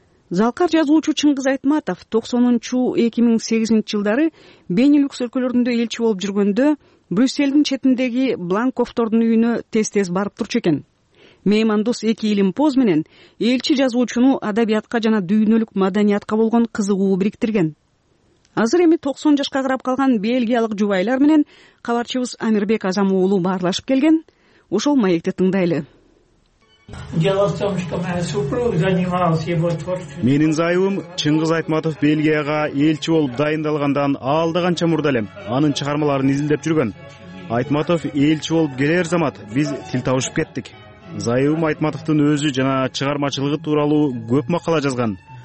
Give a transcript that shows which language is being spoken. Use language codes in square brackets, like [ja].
[ky] Залкар жазуучу Чыңгыз Айтматов 90-2008 жылдары Бенилюкс өлкөлөрүндө элчи болуп жүргөндө Брюссельдин четиндеги Бланковтордун үйүнө тез-тез барып турчу экен. Меймандос эки илимпоз менен элчи жазуучуну адабиятка жана дүйнөлүк маданиятка болгон кызыгуу бириктирген. Азыр эми 90 жашка карап калган бельгиялык жубайлар менен кабарчыбыз Амирбек Азам уулу баарлашып келген. Ушул маекти тыңдайлы. [ru] Дело в том, что моя супруга занималась его творчеством. [ky] Менин зайыбым Чыңгыз Айтматов Бельгияга элчи болуп дайындалгандан алды канча мурда эле анын чыгармаларын изилдеп жүргөн. Айтматов элчи болуп келер замат биз тил табышып кеттик. Зайыбым Айтматовдун өзү жана чыгармачылыгы тууралуу көп макала жазган.